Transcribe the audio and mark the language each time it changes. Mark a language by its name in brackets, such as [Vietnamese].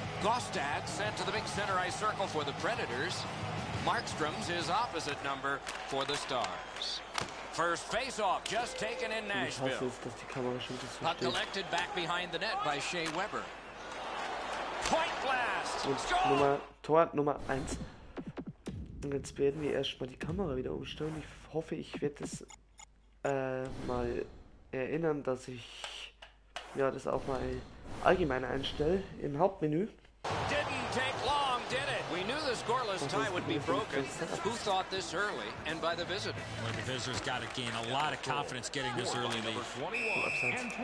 [English] Gostad sent to the big center ice circle for the Predators. Markstrom's his opposite number for the Stars. First faceoff just taken in Nashville. Puck collected back behind the net by Shea Weber. Point blast! [German] Nummer, Tor Nummer 1. Und jetzt werden wir erstmal die Kamera wieder umstellen. Ich hoffe, ich werde es mal erinnern, dass ich ja das auch mal allgemein einstelle im Hauptmenü. [English] Didn't take long, did it? We knew the scoreless tie would be broken. Who thought this early and by the visitor? Well, the visitor's got to gain a lot of confidence getting this early lead.